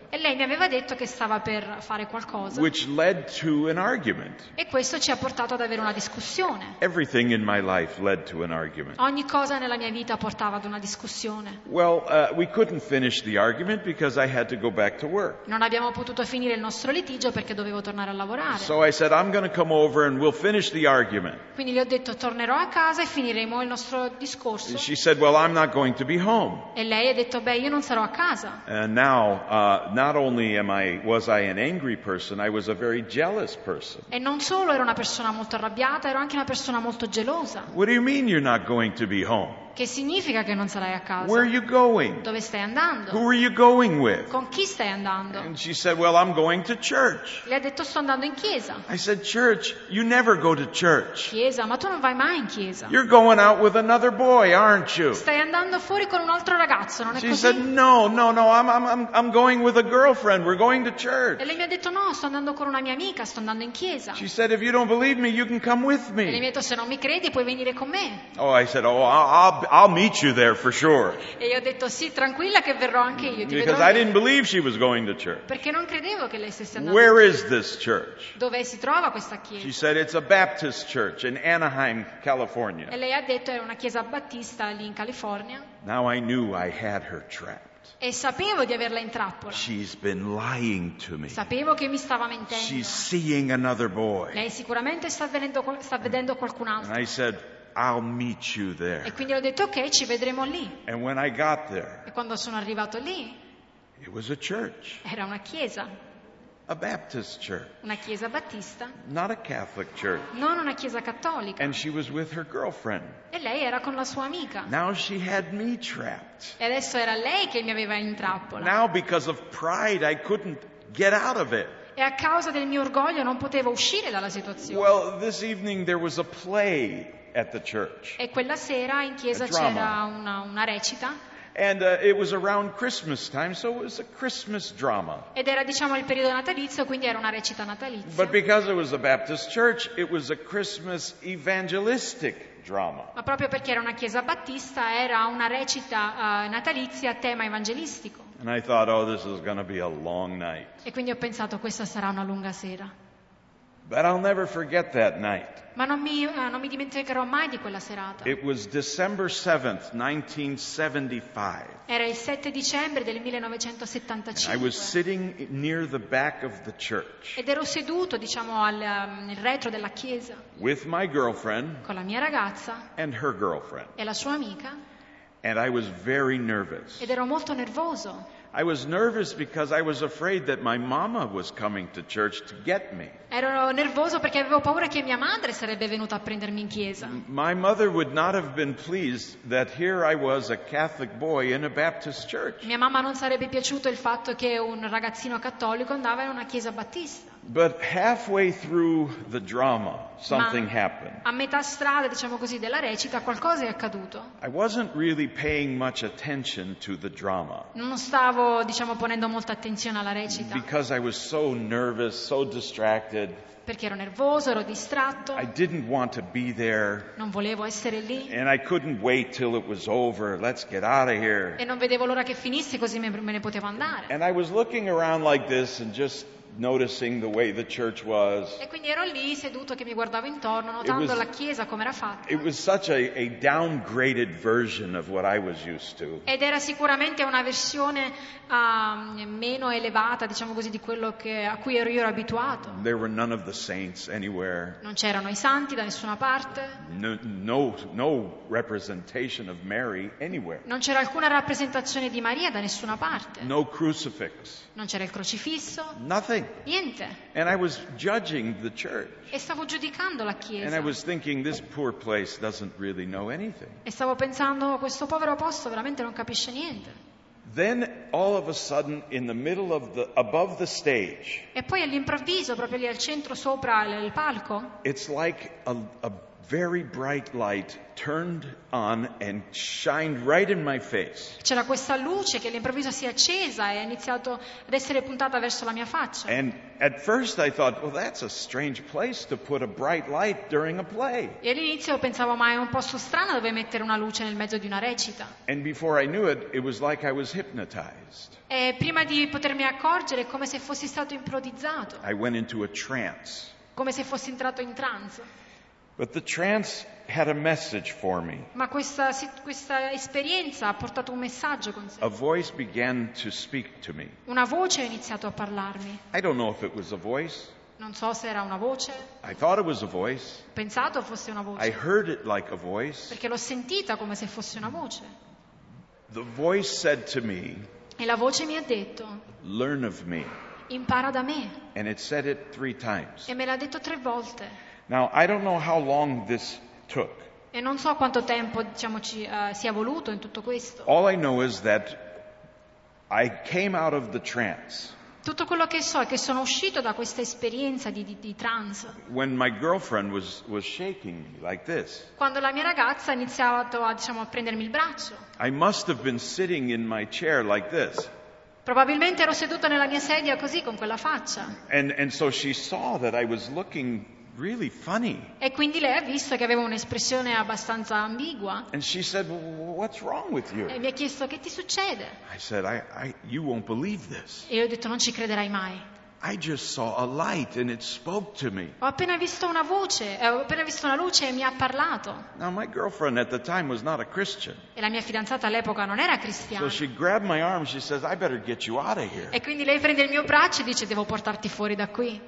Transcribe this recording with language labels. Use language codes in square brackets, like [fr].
[it] E lei mi aveva detto che stava per fare qualcosa. [en] Which led to an argument. [it] E questo ci ha portato ad avere una discussione. [en] Everything in my life led to an argument. [it] Ogni cosa nella mia vita portava ad una discussione. [en] Well, we couldn't finish the argument because I had to go back to work. [it] Non abbiamo potuto finire il nostro litigio perché dovevo tornare a lavorare. [en] So I said I'm going to come over and we'll finish the argument. [it] Quindi le ho detto tornerò a casa e finiremo il nostro discorso. [en] She said, "Well, I'm not going to be home." [it] E lei ha detto, "Beh, io non sarò a casa." [en] And now, not only was I an angry person, I was a very jealous person. [it] E non solo ero una persona molto arrabbiata, ero anche una persona molto gelosa. [en] What do you mean you're not going to be home? [it] Che significa che non sarai a casa? [en] Where are you going? [it] Dove stai andando? [en] Who are you going with? [it] Con chi stai andando? [en] And she said, "Well, I'm going to church." [it] Le ha detto, "Sto andando in chiesa." [en] I said, "Church? You never go to church." [it] Chiesa, ma tu non vai mai in chiesa. [en] You're going out with another boy, aren't you? [it] Stai andando fuori con un altro ragazzo, non è [en] she [it] così? [en] She said, "No, I'm going with a girlfriend. We're going to church." [it] E lei mi ha detto, "No, sto andando con una mia amica, sto andando in chiesa." [en] She said, "If you don't believe me, you can come with me." [it] E lei mi ha detto, "Se non mi credi, puoi venire con me." [en] Oh, I said, "I'll meet you there for sure." [it] E io ho detto sì, tranquilla che verrò anche io. [en] Because I didn't believe she was going to church. [it] Perché non credevo che lei stesse andando. [en] Where is this church? [it] Dove si trova questa chiesa? [en] She said it's a Baptist church in Anaheim, California. [it] E lei ha detto è una chiesa battista lì in California. [en] Now I knew I had her trapped. [it] E sapevo di averla in trappola. [en] She's been lying to me. [it] Sapevo che mi stava mentendo. [en] She's seeing another boy. [it] Lei sicuramente sta vedendo qualcun altro. [en] And I said, "I'll meet you there." [it] E quindi ho detto ok, ci vedremo lì. [en] And when I got there, [it] e quando sono arrivato lì, [en] it was a church. [it] Era una chiesa. [en] A Baptist church. [it] Una chiesa battista. [en] Not a Catholic church. [it] Non una chiesa cattolica. [en] And she was with her girlfriend. [it] E lei era con la sua amica. [en] Now she had me trapped. [it] E adesso era lei che mi aveva in trappola. [en] Now because of pride I couldn't get out of it. [it] E a causa del mio orgoglio non potevo uscire dalla situazione. [en] Well, this evening there was a play at the church. [it] E quella sera in chiesa c'era una recita. [en] And it was around Christmas time, so it was a Christmas drama. [it] Ed era diciamo il periodo natalizio, quindi era una recita natalizia. [en] But because it was a Baptist church, it was a Christmas evangelistic drama. [it] Ma proprio perché era una chiesa battista, era una recita natalizia a tema evangelistico. [en] And I thought, "Oh, this is going to be a long night." [it] E quindi ho pensato questa sarà una lunga sera. [en] But I'll never forget that night. [it] Ma non mi dimenticherò mai di quella serata. [en] It was December 7th, 1975. [it] Era il 7 dicembre del 1975. [en] And I was sitting near the back of the church. [it] Ed ero seduto, diciamo, nel retro della chiesa. [en] With my girlfriend. [it] Con la mia ragazza. [en] And her girlfriend. [it] E la sua amica. [en] And I was very nervous. [it] Ed ero molto nervoso. [en] I was nervous because I was afraid that my mama was coming to church to get me. [it] Ero nervoso perché avevo paura che mia madre sarebbe venuta a prendermi in chiesa. [en] My mother would not have been pleased that here I was a Catholic boy in a Baptist church. [it] Mia mamma non sarebbe piaciuto il fatto che un ragazzino cattolico andava in una chiesa battista. [en] But halfway through the drama, something happened. [it] A metà strada, diciamo così, della recita, qualcosa è accaduto. [en] I wasn't really paying much attention to the drama. [it] Non stavo, diciamo, ponendo molta attenzione alla recita. [en] Because I was so nervous, so distracted. [it] Perché ero nervoso, ero distratto. [en] I didn't want to be there. [it] Non volevo essere lì. [en] And I couldn't wait till it was over. Let's get out of here. [it] E non vedevo l'ora che finisse, così me ne potevo andare. [en] And I was looking around like this and just noticing the way the church was. [it] E quindi ero lì seduto che mi guardavo intorno notando la chiesa come era fatta. [en] It was such a downgraded version of what I was used to. [it] Ed era sicuramente una versione meno elevata, diciamo così, di quello a cui io ero abituato. [en] There were none of the saints anywhere. [it] Non c'erano i santi da nessuna parte. [en] No representation of Mary anywhere. [it] Non c'era alcuna rappresentazione di Maria da nessuna parte. [en] No crucifix. [it] Non c'era il crocifisso. [en] Nothing. [it] Niente. [en] And I was judging the church. [it] E stavo giudicando la chiesa. [en] And I was thinking, this poor place doesn't really know anything. [it] E stavo pensando, questo povero posto veramente non capisce niente. [en] Then all of a sudden, in the middle of the above the stage. [it] E poi all'improvviso, proprio lì al centro sopra il palco. [en] It's like a very bright light turned on and shined right in my face. [it] C'era questa luce che all'improvviso si è accesa e ha iniziato ad essere puntata verso la mia faccia. [en] And at first I thought, well, that's a strange place to put a bright light during a play. [it] E all'inizio pensavo, ma è un posto strano dove mettere una luce nel mezzo di una recita. [en] And before I knew it, it was like I was hypnotized. [it] E prima di potermi accorgere, è come se fossi stato ipnotizzato. [en] I went into a trance. [it] Come se fossi entrato in trance. [en] But the trance had a message for me. [it] Ma questa esperienza ha portato un messaggio con sé. [en] A voice began to speak to me. [it] Una voce ha iniziato a parlarmi. [en] I don't know if it was a voice. [it] Non so se era una voce. [en] I thought it was a voice. [it] Pensato fosse una voce. [en] I heard it like a voice. [it] Perché l'ho sentita come se fosse una voce. [en] The voice said to me. [it] E la voce mi ha detto. [en] Learn of me. [it] Impara da me. [en] And it said it three times. [it] E me l'ha detto tre volte. [en] Now I don't know how long this took. [it] E non so quanto tempo diciamo ci sia voluto in tutto questo. [en] All I know is that I came out of the trance. [it] Tutto quello che so è che sono uscito da questa esperienza di trance. [en] When my girlfriend was shaking me like this. [it] Quando la mia ragazza ha iniziato a prendermi il braccio. [en] I must have been sitting in my chair like this. [it] Probabilmente ero seduto nella mia sedia così con quella faccia. [en] And so she saw that I was looking really funny. [it] E quindi lei ha visto che avevo un'espressione abbastanza ambigua. [en] And she said, "What's wrong with you?" [it] E mi ha chiesto che ti succede. [en] I said, "I you won't believe this." [it] E io ho detto non ci crederai mai. [en] I just saw a light and it spoke to me. [it] Ho appena visto una luce e mi ha parlato. [en] Now my girlfriend at the time was not a Christian. [it] E la mia fidanzata all'epoca non era cristiana. [en] So she grabbed my arm, she says, "I better get you out of here." [it] E quindi lei prende il mio braccio e dice, "Devo portarti fuori da qui."